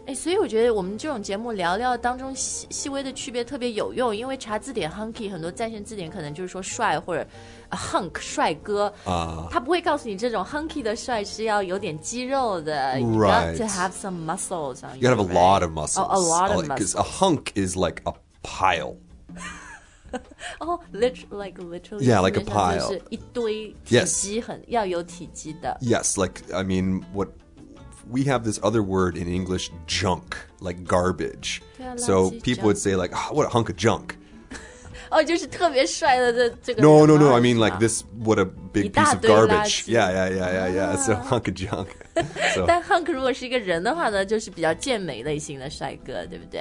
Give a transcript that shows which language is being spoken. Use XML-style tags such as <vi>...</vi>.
<zh>所以我觉得我们这种节目聊聊当中细微的区别特别有用因为查字典 hunky 很多在线字典可能就是说帅或者 hunk, 帅哥他不会告诉你这种 hunky 的帅是要有点肌肉的</zh> <en>Right. You got to have some muscles on you. You got to have a lot of muscles. Oh, a lot of muscles. Because a hunk is like a pile. Oh, literally. Yeah, like a pile.</en> <zh>就是一堆体积很</zh> <en>yes.</en> <zh>要有体积的</zh> <en>Yes, like, I mean, what we have this other word in English, junk, like garbage.</en> <zh>对啊</zh> <en>So people would say like, what a hunk of junk.</en> <zh>Oh, 就是特别帅的这个</zh> <en>No. I mean like this, what a big piece of garbage.</en> <zh>一大堆垃圾</zh> <en>Yeah. It's a hunk of junk.</en> <zh>但 hunk 如果是一个人的话呢就是比较健美类型的帅哥对不对</zh>